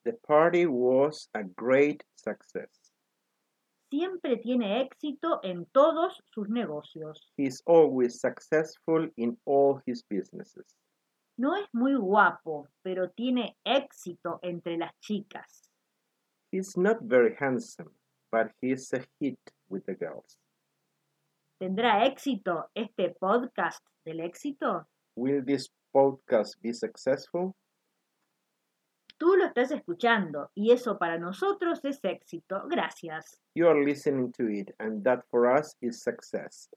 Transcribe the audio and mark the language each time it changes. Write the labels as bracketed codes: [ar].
[en] The party was a great success. [es] Siempre tiene éxito en todos sus negocios. [en] He's always successful in all his businesses. [es] No es muy guapo, pero tiene éxito entre las chicas. [en] He's not very handsome, but he's a hit with the girls. [es] ¿Tendrá éxito este podcast del éxito? [en] Will this podcast be successful? [es] Tú lo estás escuchando y eso para nosotros es éxito. Gracias. [en] You are listening to it and that for us is success.